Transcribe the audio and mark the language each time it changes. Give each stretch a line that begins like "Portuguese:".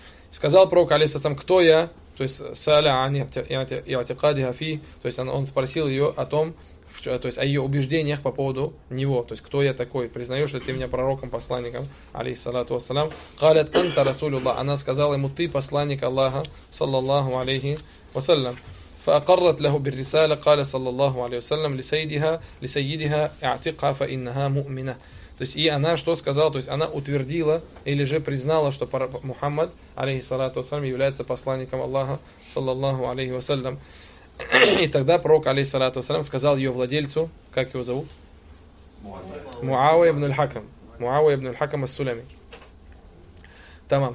Russian: Сказал пророк, алейхиссалям, кто я? То есть,
Arabic: саля ани иатикади хафи.
Russian: То есть он спросил ее о том, то есть о ее убеждениях по поводу него. То есть кто я такой? Признаешь, что ты меня пророком, посланником, алейхиссалату вассалям.
Arabic: Калят анта расулюллах.
Russian: Она сказала ему, ты посланник Аллаха, саллаллаху алейхи вассалям.
Arabic: فأقرت له بالرسالة قال صلى الله عليه وسلم لسيدها لسيدها اعتقها فإنها مؤمنة.
Russian: То есть и она что сказала, то есть она утвердила или же признала, что Мухаммад алейхиссалату вассалям является посланником Аллаха саллаллаху алейхи вассалям. И тогда пророк алейхиссалату вассалям сказал ее владельцу, как его зовут, Муавия ибн аль-Хакам, Муавия ибн аль-Хакам ас-Сулями. Тамам.